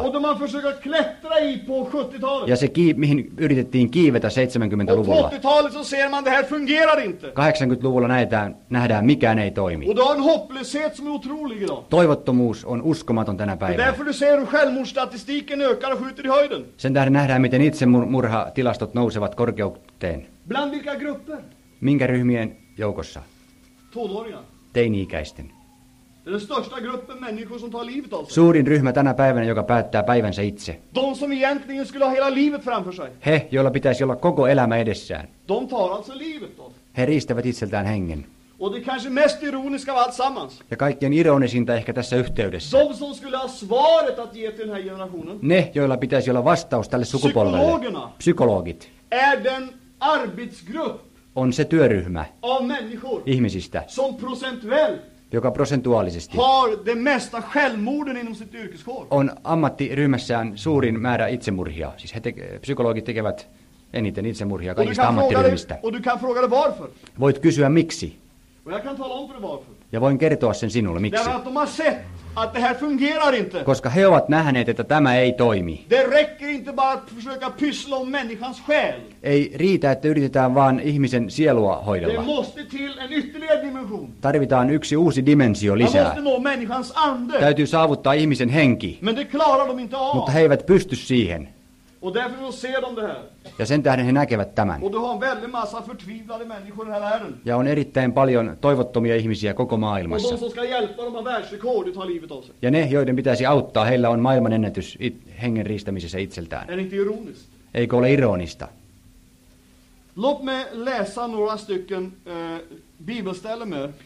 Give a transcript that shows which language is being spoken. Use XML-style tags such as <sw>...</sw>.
<sv>Och det man försökte klättra i på 70-talet.</sv> <fi>Ja se, mihin yritettiin kiivetä 70-luvulla.</fi> <sv>Och 80-talet så ser man, det här fungerar inte.</sv> <fi>80-luvulla nähdään, mikään ei toimi.</fi> <sv>Och då är en hopplöshet som är otrolig idag.</sv> <fi>Toivottomuus on uskomaton tänä päivänä.</fi> <sv>Och därför du ser hur självmordsstatistiken ökar och skjuter i höjden.</sv> <fi>Sen tähden nähdään, miten itsemurhatilastot nousevat korkeuteen.</fi> <sv>Bland vilka grupper?</sv> <fi>Minkä ryhmien joukossa?</fi> <sv>Tonåringar.</sv> <fi>Teini-ikäisten.</fi> <sv>Den största gruppen människor som tar livet av sig.</sv> <fi>Suurin ryhmä tänä päivänä, joka päättää päivänsä itse.</fi> <sv>De som egentligen skulle ha hela livet framför sig.</sv> <fi>He, joilla pitäisi olla koko elämä edessään.</fi> <sv>De tar alltså livet av sig.</sv> <fi>He riistävät itseltään hengen.</fi> <sv>Och det kanske mest ironiska av alltsammans.</sv> <fi>Ja kaikkien ironisinta ehkä tässä yhteydessä.</fi> <sv>De som skulle ha svaret att ge till den här generationen.</sv> <fi>Ne, joilla pitäisi olla vastaus tälle sukupolvelle.</fi> <sv>Psykologerna.</sv> <fi>Psykologit.</fi> <sv>Är den arbetsgrupp.</sv> <fi>On se työryhmä.</fi> <sv>Av människor.</sv> <fi>Ihmisistä.</fi> <sv>Som procentuellt.</sv> <fi>Joka prosentuaalisesti.</fi> <sv>Har det mesta självmorden inom sitt yrkeskår.</sv> <fi>On ammattiryhmässään suurin määrä itsemurhia. Siis psykologit tekevät eniten itsemurhia kaikista ammattiryhmistä.</fi> <sv>Och du kan fråga dig varför.</sv> <fi>Voit kysyä miksi.</fi> <sv>Och jag kan tala om för dig varför.</sv> <fi>Ja voin kertoa sen sinulle miksi.</fi> <sv>Därför att de har sett att det här fungerar inte.</sv> <fi>Koska he ovat nähneet, että tämä ei toimi.</fi> <sv>Det räcker inte bara att försöka pyssla om människans själ.</sv> <fi>Ei riitä, että yritetään vaan ihmisen sielua hoidella.</fi> <sv>Det måste till en ytterligare dimension.</sv> <fi>Tarvitaan yksi uusi dimensio lisää.</fi> <sv>Man måste nå människans ande.</sv> <fi>Täytyy saavuttaa ihmisen henki.</fi> <sv>Men det klarar de inte av.</sv> <fi>Mutta he eivät pysty siihen.</fi> <sv>Och därför så ser de det här.</sv> <fi>Ja sen tähden he näkevät tämän.</fi> <sv>Och du har en väldig massa förtvivlade människor i hela världen.</sv> <fi>Ja on erittäin paljon toivottomia ihmisiä koko maailmassa.</fi> <sv>Och de som ska hjälpa dem har världsrekordet har livet av sig.</sv> <fi>Ja ne, joiden pitäisi auttaa, heillä on maailmanennätys hengen riistämisessä itseltään.</fi> <sv>Är inte ironiskt?</sv> <fi>Eikö ole ironista?</fi> <sv>Låt mig läsa några stycken bibelställen med.</sv>